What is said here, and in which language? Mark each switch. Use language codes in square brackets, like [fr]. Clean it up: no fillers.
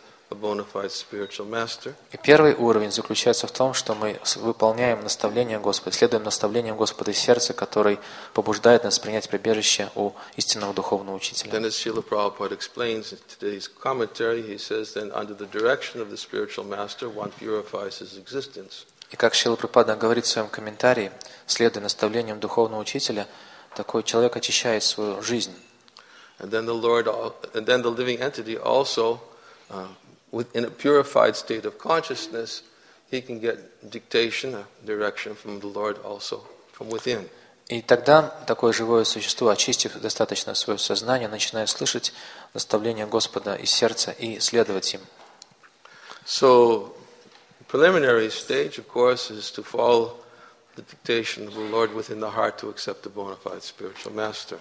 [ru] И первый уровень заключается в том, что мы выполняем наставление Господа, следуем наставлениям Господа из сердца, который побуждает нас принять прибежище у истинного духовного учителя. [en] Then as Srila Prabhupada explains in today's commentary, he says, then under the direction of the spiritual master, one purifies his existence. [ru] И как Шрила Прабхупада говорит в своем комментарии, следуя наставлениям духовного учителя, такой человек очищает свою жизнь. [en] And then the living entity also in a purified state of consciousness, he can get dictation, direction from the Lord also, from within. [ru] И тогда такое живое существо, очистив достаточно свое сознание, начинает слышать наставления Господа из сердца и следовать им. [en] So, preliminary stage, of course, is to follow the dictation of the Lord within the heart to accept a bona fide spiritual master.